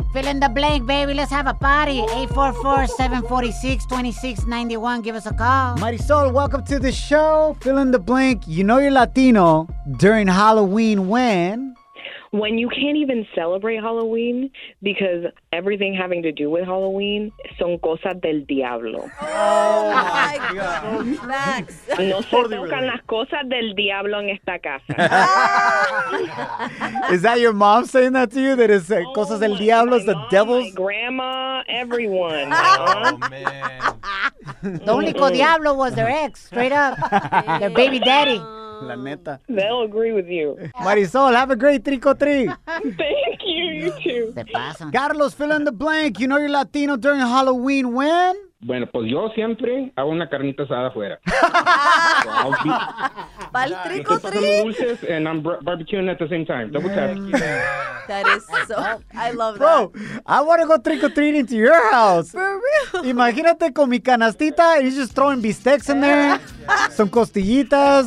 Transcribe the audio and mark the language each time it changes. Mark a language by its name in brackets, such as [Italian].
[English] Fill in the blank, baby. Let's have a party. 844-746-2691. Give us a call. Marisol, welcome to the show. Fill in the blank. You know you're Latino during Halloween when? When you can't even celebrate Halloween because everything having to do with Halloween [Spanish] son cosas del diablo. [English] Oh, my God. [Spanish] Max. No se tocan las cosas del diablo en esta casa. [English] Is that your mom saying that to you? That it's [Spanish] cosas del diablo, [English] it's the devil's? My grandma, everyone. Oh, man. The único diablo was their ex, straight up. Their baby daddy. [Spanish] La neta. [English] They'll agree with you. Marisol, have a great trick-or-treat. Thank you. You too. [Spanish] Se pasan. [English] Carlos, fill in the blank. You know you're Latino during Halloween. When? [Spanish] Bueno, pues yo siempre hago una carnita asada afuera. Pa'l trick-or-treat. [English] I'm dulces and I'm barbecuing at the same time. Double tap. That is so... I love bro, that. Bro, I want to go trick-or-treating to your house. For real. [Spanish] Imagínate con mi canastita [English] and he's just throwing bistecs in there. [Spanish] Some costillitas.